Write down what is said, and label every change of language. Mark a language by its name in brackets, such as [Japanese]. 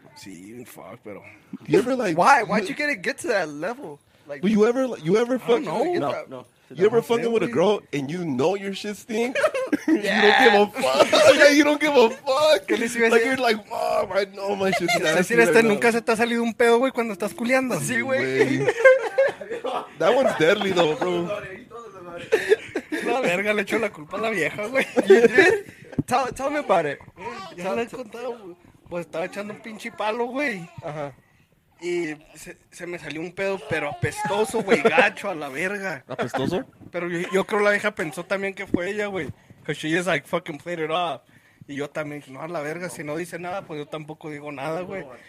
[Spanish] Sí, fuck, pero... [English] You ever, like... Why'd you get to that level? Like, but you ever fucking... No, no. You ever fucking with a girl and you know your shit stink? Yeah. You don't give a fuck. Yeah, you don't give a fuck. Like, you're like, mom, I know my shit stinks. [Spanish] Es decir, este nunca se te ha salido un pedo, güey, cuando estás culiando. Sí, güey. [English] That one's deadly, though, bro. [Spanish] La verga, le echo la culpa a la vieja, güey. [English] Tell me about it. [Spanish] Ya le he contado, pues estaba echando un pinche palo, güey. Ajá. Y se me salió un pedo, pero apestoso, güey, gacho, a la verga. ¿Apestoso? Pero yo creo la vieja pensó también que fue ella, güey. [English] Because she is like, fucking played it off. [Spanish] Y yo también, no, a la verga, si no dice nada, pues yo tampoco digo nada, güey.